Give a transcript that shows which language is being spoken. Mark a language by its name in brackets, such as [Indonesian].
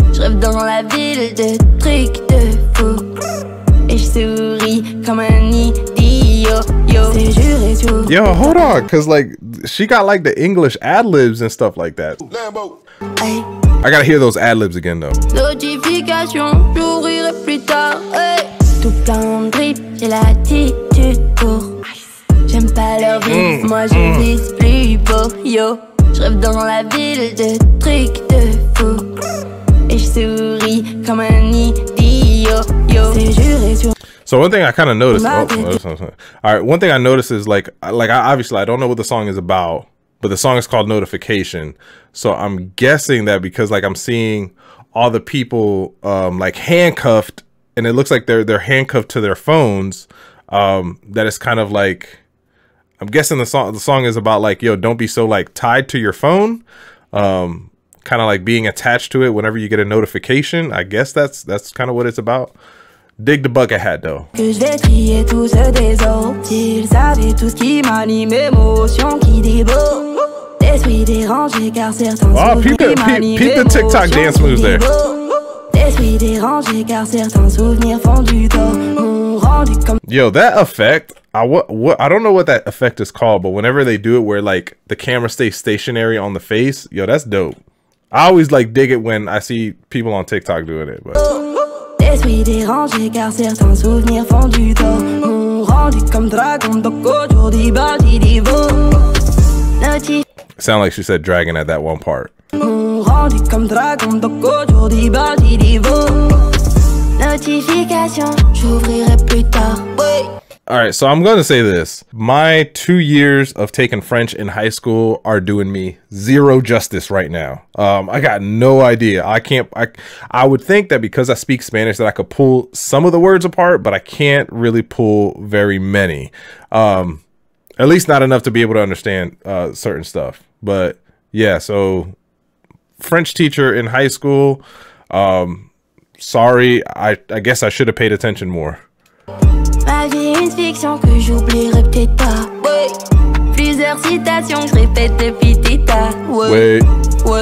[French] Je rêve dans la ville de trucs de fou. Et je souris comme un idiot. [English] Yo, hold on, cause like she got like the English ad libs and stuff like that. Lambo. I gotta hear those ad-libs again, though. [French] Notification, j'ouvrirai plus tard, hey. Tout plein de drip, j'ai l'attitude pour. J'aime pas leur vie, moi je vis plus beau, yo. Je rêve dans la ville de trucs de fou. Et je souris comme un idiot, yo. C'est juré sur. [English] So one thing I kind of noticed, one thing I noticed is obviously I don't know what the song is about, but the song is called Notification. So I'm guessing that because I'm seeing all the people handcuffed, and it looks like they're handcuffed to their phones, that it's kind of like, I'm guessing the song is about don't be so tied to your phone, being attached to it whenever you get a notification. I guess that's kind of what it's about. Dig the bucket hat, though. [French] Que je vais crier tout ce désordre. S'ils savaient tout ce qui m'anime, émotion qui déborde. L'esprit dérangé, car certains souvenirs m'animent. [English] Peep the TikTok dance moves there. [French] L'esprit dérangé, car certains souvenirs font du tort. M'ont rendu comme. [English] Yo, that effect. I don't know what that effect is called, but whenever they do it where the camera stays stationary on the face, yo, that's dope. I always dig it when I see people on TikTok doing it, but. [French] L'esprit dérangé car certains souvenirs font du tort. M'ont rendu comme dragon, donc aujourd'hui bâti des vaux. [English] Sound like she said dragon at that one part. [French] M'ont rendu comme dragon, donc aujourd'hui bâti des vaux. Notification, j'ouvrirai plus tard. [English] All right, so I'm going to say this. My 2 years of taking French in high school are doing me zero justice right now. I got no idea. I would think that because I speak Spanish that I could pull some of the words apart, but I can't really pull very many. At least not enough to be able to understand certain stuff. But yeah, so French teacher in high school. Sorry, I guess I should have paid attention more. [French] Que j'oublierai peut-être pas. Ouais. Plusieurs citations que je répète depuis tes tas.